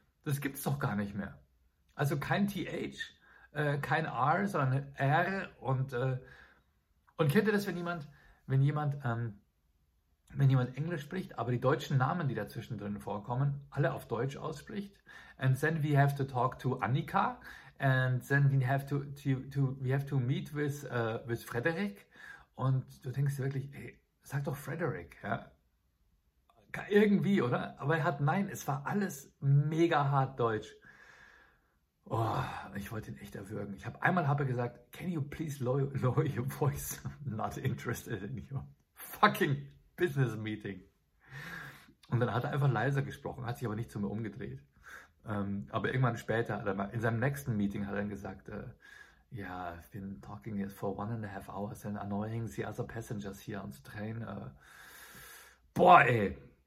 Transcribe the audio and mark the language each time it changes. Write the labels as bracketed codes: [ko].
[de] Das gibt's doch gar nicht mehr. Also kein TH, kein R, sondern R. Und kennt ihr das, wenn jemand Englisch spricht, aber die deutschen Namen, die dazwischendrin vorkommen, alle auf Deutsch ausspricht? [en] And then we have to talk to Annika. And then we have to meet with Frederick. [de] Und du denkst dir wirklich, ey, sag doch Frederick, ja? Irgendwie, oder? Aber er hat, nein, es war alles mega hart Deutsch. Oh, ich wollte ihn echt erwürgen. Einmal habe ich gesagt, [en] can you please lower your voice? Not interested in your fucking business meeting. [de] Und dann hat er einfach leiser gesprochen, hat sich aber nicht zu mir umgedreht. Aber irgendwann später, in seinem nächsten Meeting, hat er dann gesagt, [en] yeah, I've been talking here for 1.5 hours and annoying the other passengers here on the train. Boah, ey.